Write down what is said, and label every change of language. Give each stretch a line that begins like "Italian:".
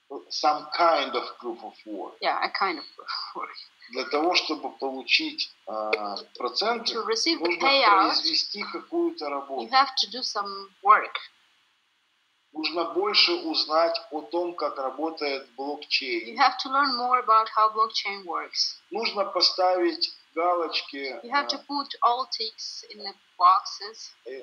English: Some kind of proof of work. Yeah, a kind of proof of work.
Russian: Для того, чтобы получить проценты,
English: to receive the
Russian: payout, нужно произвести какую-то работу.
English: You have to do some work.
Russian: Нужно больше узнать о том, как работает блокчейн.
English: You have to learn more about how blockchain works.
Russian: Нужно поставить галочки.
English: You have to put all ticks in the boxes.